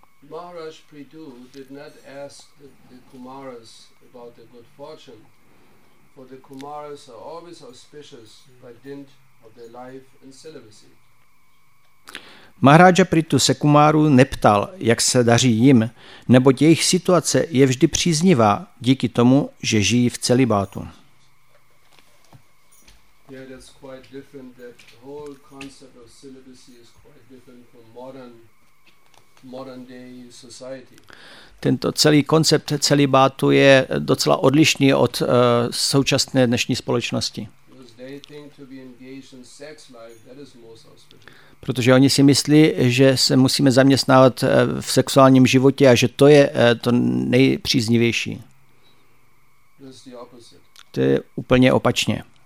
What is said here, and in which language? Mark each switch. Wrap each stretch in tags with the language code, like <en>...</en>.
<en>Maharaj Pridhu did not ask the Kumaras about the good fortune, for the Kumaras are always auspicious by dint of their life and celibacy.</en> <cs>Maharaja Pritu se Kumaru neptal, jak se daří jim, neboť jejich situace je vždy příznivá díky tomu, že žijí v celibátu.</cs> <en>Yeah, that's quite different. That whole concept of celibacy is quite different from modern day society.</en> <cs>Tento celý koncept celibátu je docela odlišný od současné dnešní společnosti.</cs> <en>Because they think to be engaged in sex life, that is most auspicious.</en> <cs>Protože oni si myslí, že se musíme zaměstnávat v sexuálním životě a že to je to nejpříznivější. To je úplně opačně.</cs>